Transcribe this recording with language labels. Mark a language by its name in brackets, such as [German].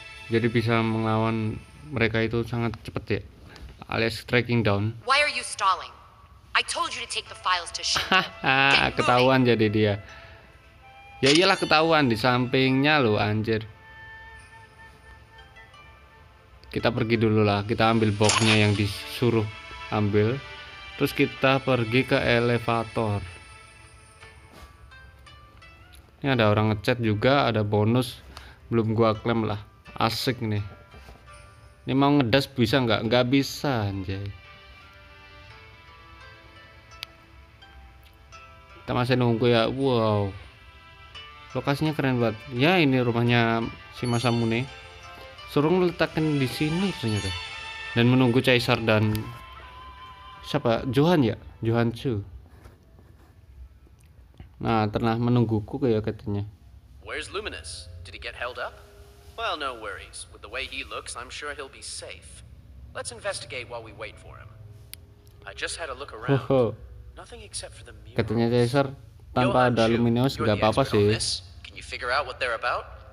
[Indonesian] Jadi bisa melawan mereka itu sangat cepat ya. [English] Alias tracking down. Why are you stalling? I told you to take the files to Shinto. [Indonesian] Ketahuan jadi dia. Ya iyalah ketahuan di sampingnya lo anjir. Kita pergi dulu lah, kita ambil boxnya yang disuruh ambil. Terus kita pergi ke elevator. Ini ada orang ngechat juga, ada bonus. Belum gua klaim lah, asik nih. Ini mau ngedas bisa nggak? Nggak bisa anjay. Kita masih nunggu ya, wow. Lokasinya keren banget. Ya ini rumahnya si Masamune. Suruh meletakkan di sini ternyata. Dan menunggu Caesar dan siapa? Johan ya? Johan Chu. Nah, tengah menungguku kayak katanya. [English] Where's Luminous? Did he get held up? Well, no worries. With the way he looks, I'm sure he'll be safe. Let's investigate while we wait for him. I just had a look around. Oh, oh. Nothing except for the murals. [Indonesian] Katanya Caesar tanpa ada Luminous enggak apa-apa sih. [English] Can you figure out what they're about?